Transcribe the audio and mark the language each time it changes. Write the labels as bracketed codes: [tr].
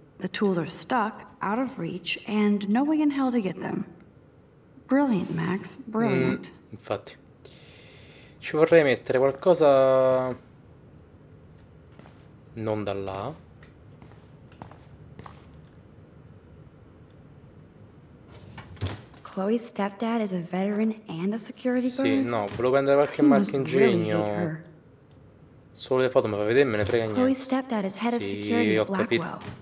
[en] The tools are stuck, out of reach, and no way in hell to get them. Brilliant, Max. Brilliant. [it] Infatti. Ci vorrei mettere qualcosa... non da là. [en] Chloe's stepdad is a veteran and a security guard? [it] Sì, no, volevo prendere qualche marchio ingegno. Solo le foto me fa vedere, me ne frega niente. [en] Chloe's stepdad is head of security at Blackwell.